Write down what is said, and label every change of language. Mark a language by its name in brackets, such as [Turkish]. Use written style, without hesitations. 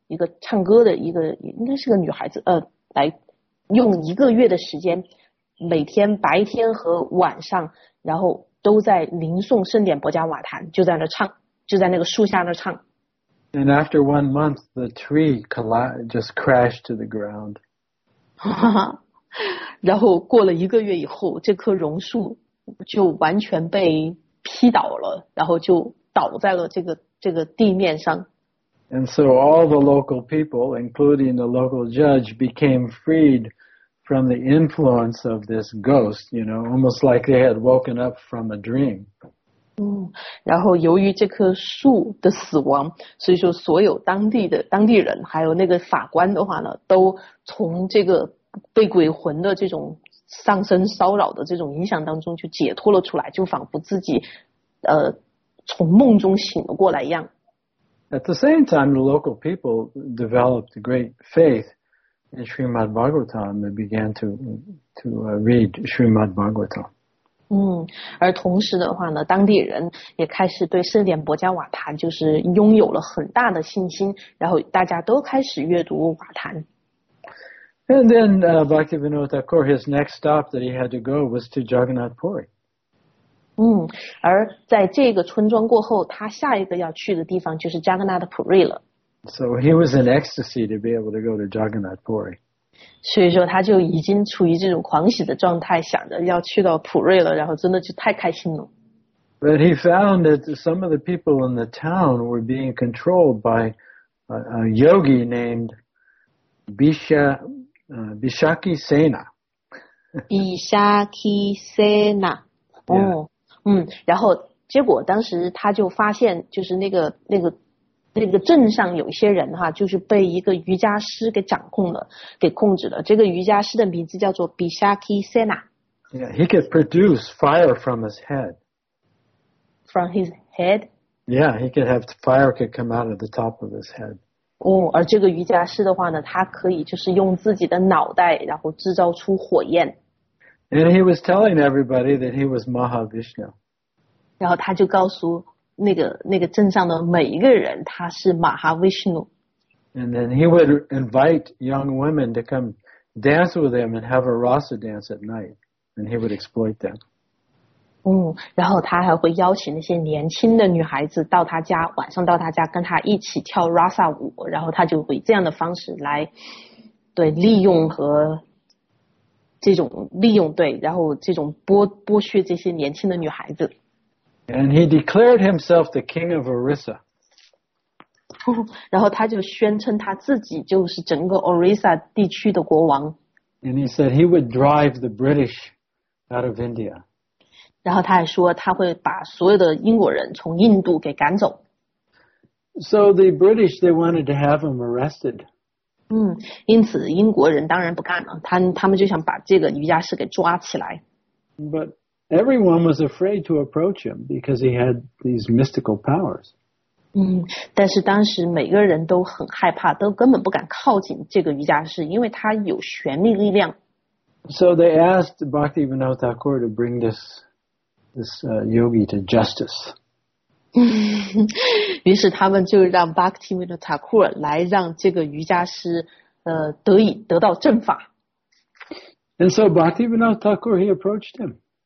[Chinese] 一个唱歌的一个应该是个女孩子来用一个月的时间，每天白天和晚上，然后都在吟诵圣典薄伽瓦坛，就在那唱，就在那个树下那唱。 [English] And after 1 month, the tree just crashed to the ground. [Chinese] 然后过了一个月以后，这棵榕树就完全被劈倒了，然后就倒在了这个地面上。 [English] And so all the local people, including the local judge, became freed from the influence of this ghost, you know, almost like they had woken up from a dream. [Chinese] 然后由于这棵树的死亡，所以说所有当地人还有那个法官的话呢，都从这个被鬼魂的这种上身骚扰的这种影响当中就解脱了出来，就仿佛自己从梦中醒了过来一样。 [English] At the same time, the local people developed great faith in Srimad Bhagavatam and began to read Srimad Bhagavatam. [Chinese] 而同时的话呢，当地人也开始对圣典薄伽瓦坛就是拥有了很大的信心，然后大家都开始阅读瓦坛。 [English] And then Bhaktivinoda Thakur, his next stop that he had to go was to Jagannath Puri. [Chinese] 而在这个村庄过后，他下一个要去的地方就是 Jagannath Puri 了。 [English] So he was in ecstasy to be able to go to Jagannath Puri. [Chinese] 所以说他就已经处于这种狂喜的状态，想着要去到普瑞了，然后真的就太开心了。 [English] But he found that some of the people in the town were being controlled by a yogi named Bishaki Sena. Ishakisena. [Chinese] 然后结果当时他就发现，就是那个镇上有些人哈，就是被一个瑜伽师给掌控了，给控制了。这个瑜伽师的名字叫做 Bishakisena。 [English] Yeah, he could produce fire from his head. From his head? Yeah, he could have fire could come out of the top of his head. [Chinese] 而这个瑜伽师的话呢，他可以就是用自己的脑袋，然后制造出火焰。 [English] And he was telling everybody that he was Mahavishnu. [Chinese] 然后他就告诉那个镇上的每一个人，他是 Mahavishnu. [English] And then he would invite young women to come dance with him and have a rasa dance at night. And he would exploit them. [Chinese] 然后他还会邀请那些年轻的女孩子到他家，晚上到他家跟他一起跳 Rasa 舞，然后他就会这样的方式来，对，利用和这种利用，对，然后这种剥削这些年轻的女孩子。 [English] And he declared himself the king of Orissa. [Chinese] 然后他就宣称他自己就是整个 Orissa 地区的国王。 [English] And he said he would drive the British. Out of India. [Chinese] 然后他还说他会把所有的英国人从印度给赶走。 [English] So the British, they wanted to have him arrested. [Chinese] 因此英国人当然不干了，他们就想把这个瑜伽师给抓起来。 [English] But everyone was afraid to approach him because he had these mystical powers. [Chinese] 但是当时每个人都很害怕，都根本不敢靠近这个瑜伽师，因为他有玄秘力量。 [English] So they asked Bhaktivinoda Thakur to bring this yogi to justice. [Chinese] 于是他们就让 Bhaktivinoda Thakur 来让这个瑜伽师得到正法。 [English] And so Bhaktivinoda Thakur he approached him.